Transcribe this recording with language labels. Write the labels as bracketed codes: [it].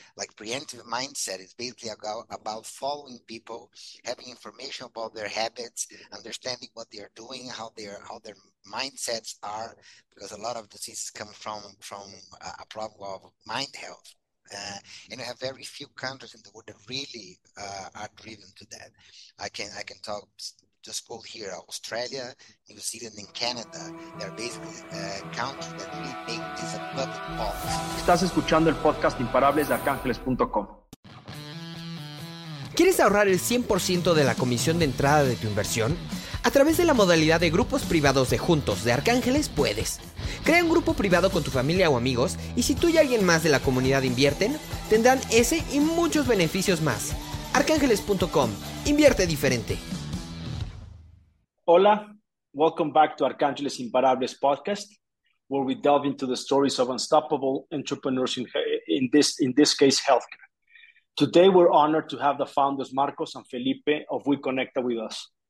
[en] Like preemptive mindset is basically about following people, having information about their habits, understanding what they are doing, how their mindsets are, because a lot of diseases come from a problem of mind health. And I have very few countries in the world that really are driven to that. I can talk just go here, Australia, New Zealand, and Canada. They're basically countries that really make this a public policy. [es] Estás escuchando el podcast Imparables de Arcángeles.com. ¿Quieres ahorrar el 100% de la comisión de entrada de tu inversión? A través de la modalidad de grupos privados de Juntos de Arcángeles puedes. Crea un grupo privado con tu familia o amigos y si tú y alguien más de la comunidad invierten, tendrán ese y muchos beneficios más. Arcángeles.com. Invierte diferente. [en] Hola, welcome back to Arcángeles Imparables podcast, where we delve into the stories of unstoppable entrepreneurs in this case, healthcare. Today, we're honored to have the founders Marcos and Felipe of WeConecta with us.